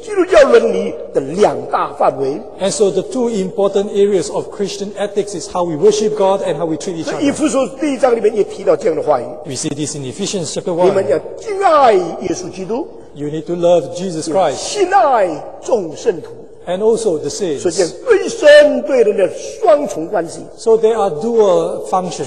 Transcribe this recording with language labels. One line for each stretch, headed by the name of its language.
Chinese: 所以这样敬神爱人就变成基督教伦理的两大范围。
English: And so the two important areas of Christian ethics is how we worship God and how we treat each other.
Chinese: 所以以弗所第一章里面也提到这样的话语。
English: We see this in Ephesians chapter 1.
Chinese: 你们要敬爱耶稣基督。
English: You need to love Jesus Christ.
Chinese: 信爱众圣徒。
English: And also the saints.
Chinese: 所以对神对人的双重关系。
English: So there are dual functions.